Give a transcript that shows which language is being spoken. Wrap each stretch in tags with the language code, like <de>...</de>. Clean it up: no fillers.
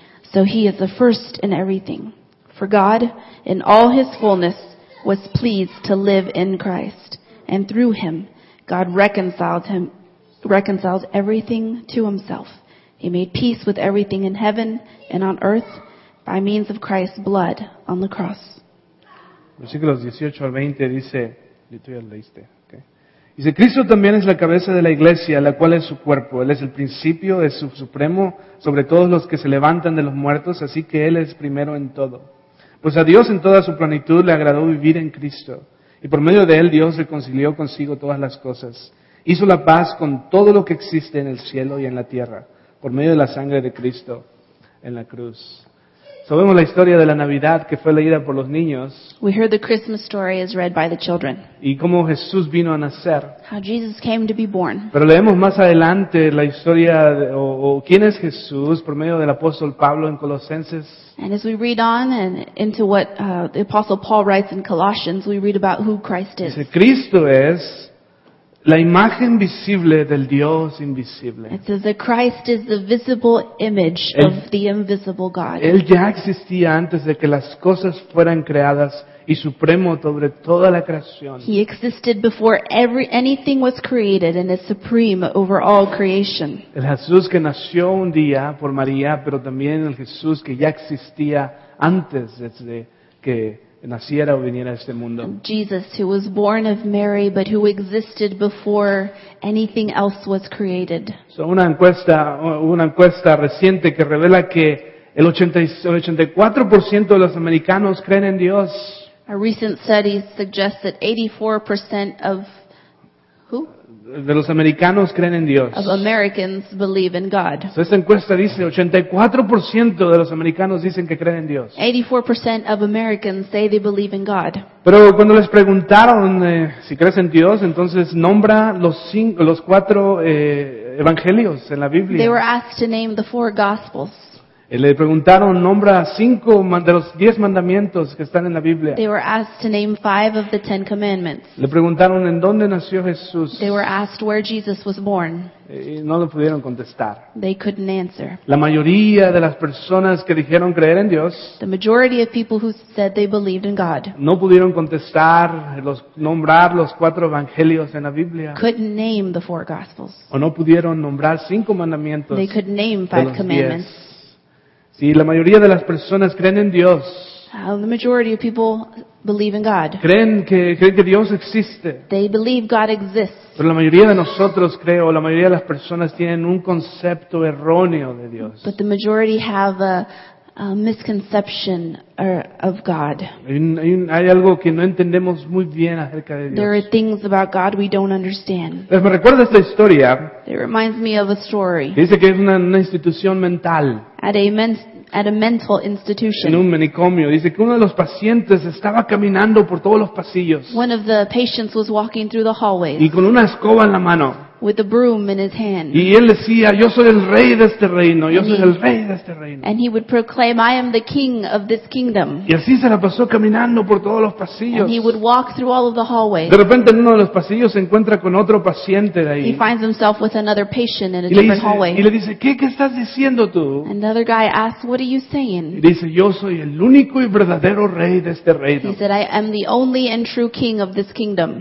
<en>So He is the first in everything. For God, in all His fullness, was pleased to live in Christ. And through Him, God reconciled everything to Himself. He made peace with everything in heaven and on earth by means of Christ's blood on the cross.</en> <es>Versículos 18 al 20 dice, ya leíste. Dice, Cristo también es la cabeza de la iglesia, la cual es su cuerpo. Él es el principio, es su supremo, sobre todos los que se levantan de los muertos, así que Él es primero en todo. Pues a Dios en toda su plenitud le agradó vivir en Cristo. Y por medio de Él Dios reconcilió consigo todas las cosas. Hizo la paz con todo lo que existe en el cielo y en la tierra, por medio de la sangre de Cristo en la cruz. Sabemos la historia de la Navidad que fue leída por los niños.</es> <en>We heard the Christmas story is read by the children.</en> <es>Y cómo Jesús vino a nacer.</es> <en>How Jesus came to be born.</en> <es>Pero leemos más adelante la historia de, o quién es Jesús por medio del apóstol Pablo en Colosenses.</es> <en>And as we read on and into what the apostle Paul writes in Colossians, we read about who Christ is.</en> <es>Dice, Cristo es la imagen visible del Dios invisible.</es> <en>It says that Christ is the visible image of the invisible God.</en> <es>Él ya existía antes de que las cosas fueran creadas y supremo sobre toda la creación.</es> <en>He existed before anything was created and is supreme over all creation.</en> <es>El Jesús que nació un día por María, pero también el Jesús que ya existía antes desde que naciera o viniera a este mundo.</es> <en>Jesus, who was born of Mary, but who existed before anything else was created.</en> <es>So, una encuesta reciente que revela que el 84% de los americanos creen en Dios.</es> <en>A recent study suggests that 84% of who?</en> <es>De los americanos creen en Dios.</es> <en>Of Americans believe in God.</en> <es>So, esta encuesta dice 84% de los americanos dicen que creen en Dios.</es> <en>84% of Americans say they believe in God.</en> <es>Pero cuando les preguntaron si crees en Dios, entonces nombra los cuatro evangelios en la Biblia.</es> <en>They were asked to name the four gospels.</en> <es>Le preguntaron, nombra cinco de los 10 mandamientos que están en la Biblia.</es> <en>They were asked to name 5 of the 10 commandments.</en> <es>Le preguntaron, ¿en dónde nació Jesús?</es> <en>They were asked where Jesus was born.</en> <es>Y no lo pudieron contestar.</es> <en>They couldn't answer.</en> <es>La mayoría de las personas que dijeron creer en Dios,</es> <en>the majority of people who said they believed in God,</en> <es>no pudieron contestar, nombrar los 4 evangelios en la Biblia.</es> <en>Couldn't name the 4 gospels.</en> <es>O no pudieron nombrar 5 mandamientos.</es> <en>They couldn't name 5 commandments.</en> <es>Si la mayoría de las personas creen en Dios,</es> <en>the majority of people believe in God.</en> <es>Creen que Dios existe.</es> <en>They believe God exists.</en> <es>Pero la mayoría de nosotros creo, la mayoría de las personas tienen un concepto erróneo de Dios.</es> <en>But the majority have a misconception of God.</en> <es>Hay algo que no entendemos muy bien acerca de Dios.</es> <en>There are things about God we don't understand.</en> <es>Pues me recuerda esta historia.</es> <en>It reminds me of a story.</en> <es>Dice que es una institución mental.</es> <en>At a mental institution.</en> <es>En un manicomio. Dice que uno de los pacientes estaba caminando por todos los pasillos.</es> <en>One of the patients was walking through the hallways.</en> <es>Y con una escoba en la mano.</es> <en>With a broom in his hand.</en> <es>Y él decía, yo soy el rey de este reino, yo soy el rey de este reino.</es> <en>And he would proclaim, I am the king of this kingdom.</en> <es>Y así se la pasó caminando por todos los pasillos.</es> <en>And he would walk through all of the hallways.</en> <es>De repente en uno de los pasillos se encuentra con otro paciente de ahí.</es> <en>He finds himself with another patient in a different hallway.</en> <es>Y le dice, ¿qué estás diciendo tú?</es> <en>Another guy asks, what are you saying?</en> <es>Y dice, yo soy el único y verdadero rey de este reino.</es> <en>He said, I am the only and true king of this kingdom.</en>